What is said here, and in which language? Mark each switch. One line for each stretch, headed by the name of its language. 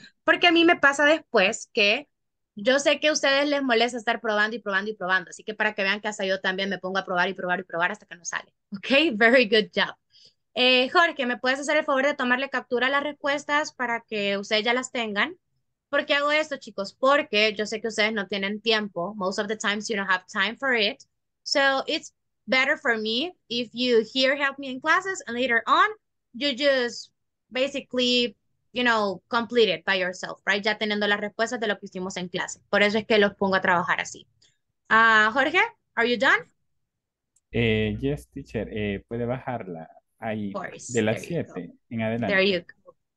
Spanish: Porque a mí me pasa después que yo sé que a ustedes les molesta estar probando y probando y probando. Así que para que vean que hasta yo también me pongo a probar y probar y probar hasta que no sale.
English: Ok, very good job.
Spanish: Jorge, ¿me puedes hacer el favor de tomarle captura a las respuestas para que ustedes ya las tengan? ¿Por qué hago esto, chicos? Porque yo sé que ustedes no tienen tiempo.
English: Most of the times you don't have time for it. So it's better for me if you here help me in classes and later on you just basically, you know, complete it by yourself, right?
Spanish: Ya teniendo las respuestas de lo que hicimos en clase. Por eso es que los pongo a trabajar así.
English: Jorge, are you done? Yes, teacher.
Spanish: Puede bajarla. Ahí, de las 7 en adelante.
English: There you go.